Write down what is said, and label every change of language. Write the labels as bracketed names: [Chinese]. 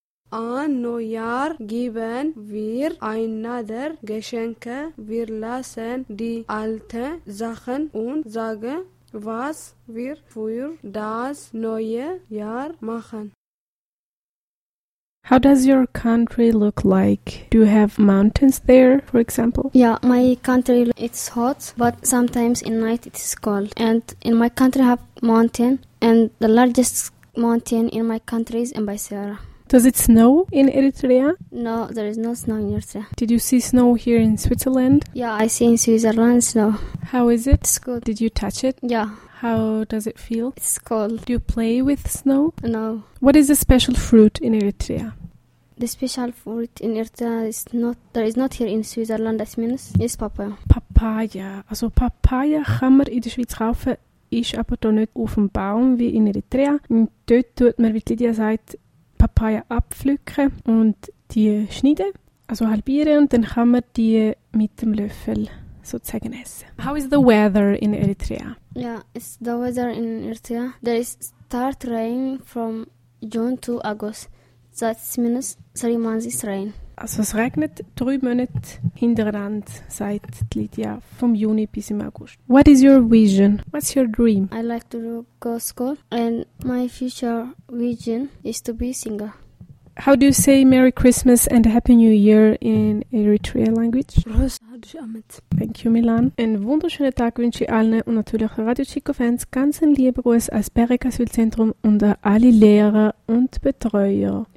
[German] An Neujahr geben wir einander Geschenke. Wir lassen die alten Sachen und sagen, was wir für das neue Jahr machen. [English] How does your country look like? Do you have mountains there, for example? Yeah, my country, it's hot, but sometimes in night it is cold. And in my country I have mountain, and the largest mountain in my country is Mbaisira. Does it snow in Eritrea? No, there is no snow in Eritrea. Did you see snow here in Switzerland? Yeah, I see in Switzerland snow. How is it? It's cold. Did you touch it? Yeah. How does it feel? It's cold. Do you play with snow? No. What is the special fruit in Eritrea? The special fruit in Eritrea is not, there is not here in Switzerland, that means it's papaya. Papaya. [German] Also papaya kann man in der Schweiz kaufen, ist aber da nicht auf dem Baum wie in Eritrea. Und dort tut man, wie Lydia sagt, Papaya abpflücken und die schneiden, also halbieren, und dann kann man die mit dem Löffel sozusagen essen. [English] How is the weather in Eritrea? Yeah, it's the weather in Eritrea. There is start rain from June to August. That's minus 3 months is rain. [German] Also es regnet 3 Monate hintereinander, seit Lydia, vom Juni bis im August. [English] What is your vision? What's your dream? I like to go to school, and my future vision is to be a singer. How do you say Merry Christmas and Happy New Year in Eritrea language? Thank you, Milan. [German] Einen wunderschönen Tag wünsche ich allen und natürlich Radio Chico Fans ganz einen lieben Gruß als Berek Asylzentrum und an alle Lehrer und Betreuer.